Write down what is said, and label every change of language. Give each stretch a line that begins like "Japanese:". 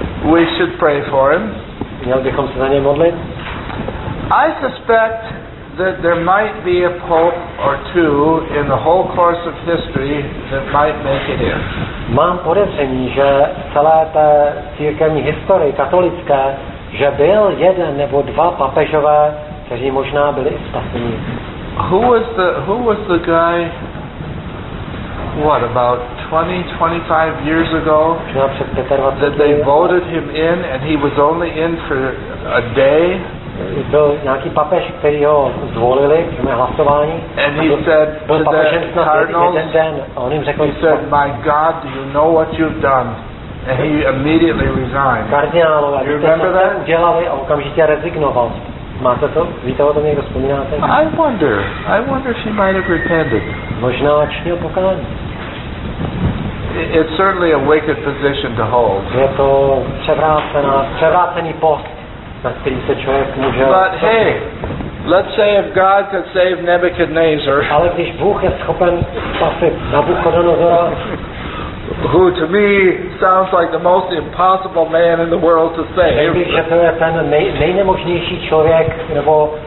English: We should pray for him. I suspect that there might be a pope or two in the whole course of history that might make it in.
Czech: Mám podezření, že celá ta církevní historie katolická, že byl jeden nebo dva papežové, kteří možná byli spasení.
English: Who was the guy? What about 20-25 years ago? That they voted him in and he was only in for a day.
Czech: Byl nějaký papež, který ho zvolili k tomu hlasování.
English: And he said to the cardinals,
Czech: on jim řekl,
English: he said, my God, do you know what you've done? And he immediately resigned.
Czech: Kardinálové,
English: do you remember that?
Czech: Udělali a okamžitě rezignoval. Máte to? Víte o tom, někdo vzpomínáte?
English: I wonder if he might have repented.
Czech: Možná činil pokání.
English: It's certainly a wicked position to hold.
Czech: Je to převrácený post.
English: But hey, let's say if God could save Nebuchadnezzar, who to me sounds like the most impossible man in the world to save.